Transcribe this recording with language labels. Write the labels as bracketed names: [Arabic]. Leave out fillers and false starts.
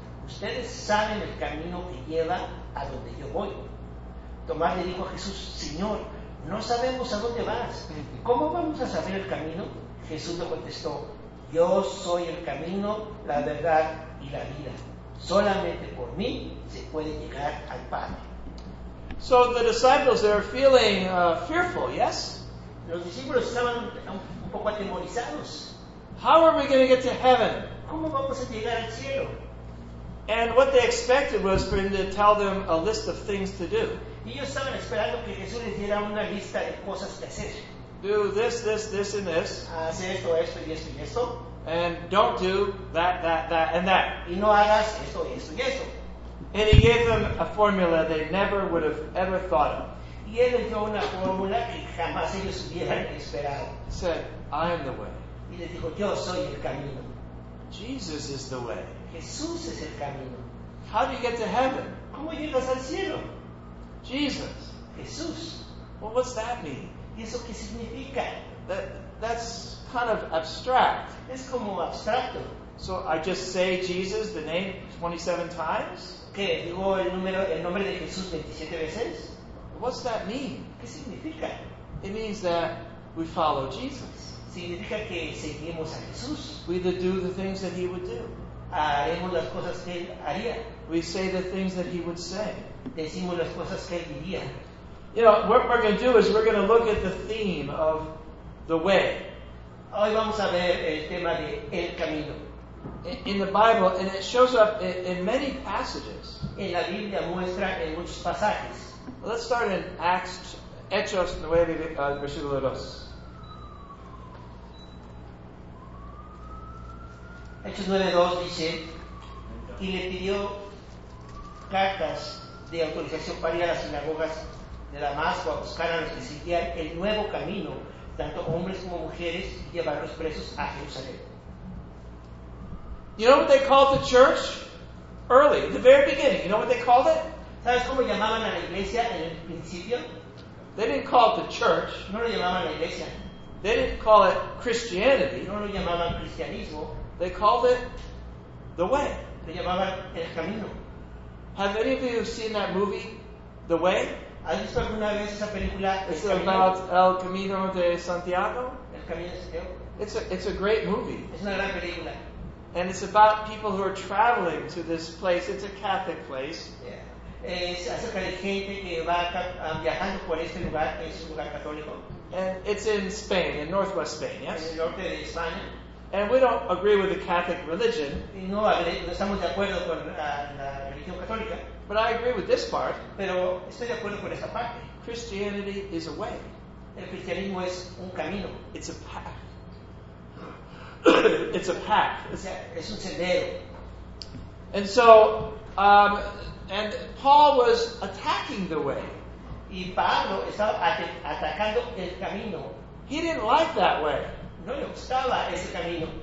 [Spanish] Ustedes saben el camino que lleva a donde yo voy. Tomás le dijo a Jesús, Señor, no sabemos a dónde vas. ¿Cómo vamos a saber el camino? Jesús le contestó, yo soy el camino, la verdad y la vida. Solamente por mí se puede llegar al Padre. [English] So the disciples, they're feeling fearful, yes? [Spanish] Los discípulos estaban un poco atemorizados. [English] How are we going to get to heaven? [Spanish] ¿Cómo vamos a llegar al cielo? [English] And what they expected was for him to tell them a list of things to do. [Spanish] Y ellos estaban esperando que Jesús les diera una lista de cosas que hacer. [English] Do this, this, this, and this. [Spanish] Hacer esto, esto, y esto, y esto. [English] And don't do that, that, that, and that. [Spanish] Y no hagas esto, esto, y esto. [English] And he gave them a formula they never would have ever thought of. [Spanish] Y él les dio una fórmula que jamás ellos hubieran esperado. [English] Said, I am the way. [Spanish] Y les dijo, yo soy el camino. [English] Jesus is the way. [Spanish] Jesús es el camino. [English] How do you get to heaven? [Spanish] ¿Cómo llegas al cielo? [English] Jesus. [Spanish] Jesús. [English] Well, what's that mean? [Spanish] ¿Y eso qué significa? [English] That's kind of abstract. [Spanish] Es como abstracto. [English] So I just say Jesus, the name, 27 times? [Spanish] ¿Qué? ¿Digo el nombre de Jesús 27 veces? [English] What's that mean? [Spanish] ¿Qué significa? [English] It means that we follow Jesus. [Spanish] Significa que seguimos a Jesús. [English] We do the things that he would do. [Spanish] Haremos las cosas que él haría. [English] We say the things that he would say. [Spanish] Decimos las cosas que él diría. [English] You know, what we're going to do is we're going to look at the theme of the way. [Spanish] Hoy vamos a ver el tema de el camino. [English] In the Bible, and it shows up in many passages. [Spanish] En la Biblia muestra en muchos pasajes. [English] Let's start in Acts [Spanish] Hechos 9 al versículo 2. Hechos 9:2 dice: y le pidió cartas de autorización para ir a las sinagogas de Damasco a buscar a los que seguían el nuevo camino, tanto hombres como mujeres, y llevarlos presos a Jerusalén. [English] You know what they called the church? Early, the very beginning. You know what they called it? [Spanish] ¿Sabes cómo llamaban a la iglesia en el principio? [English] They didn't call it the church. [Spanish] No lo llamaban la iglesia. [English] They didn't call it Christianity. [Spanish] No lo llamaban cristianismo. [English] They called it the way. [Spanish] Le llamaban el camino. [English] Have any of you seen that movie, The Way? [Spanish] ¿Has visto alguna vez esa película, [English] El Camino? It's about El Camino de Santiago. [Spanish] El Camino de Santiago. [English] It's a great movie. [Spanish] Es una gran película. [English] And it's about people who are traveling to this place. It's a Catholic place. [Spanish] Es acerca de gente que va viajando por este lugar, que es un lugar católico. [English] And it's in Spain, in northwest Spain, yes? [Spanish] En el norte de España. [English] And we don't agree with the Catholic religion. [Spanish] No, no estamos de acuerdo con la religión católica. [English] But I agree with this part. [Spanish] Pero estoy de acuerdo con esta parte. [English] Christianity is a way. [Spanish] El cristianismo es un camino. [English] It's a path. It's a path. [Spanish] Es un sendero. [English] And so, and Paul was attacking the way. [Spanish] Y Pablo estaba atacando el camino. [English] He didn't like that way. [Spanish] No le gustaba ese camino.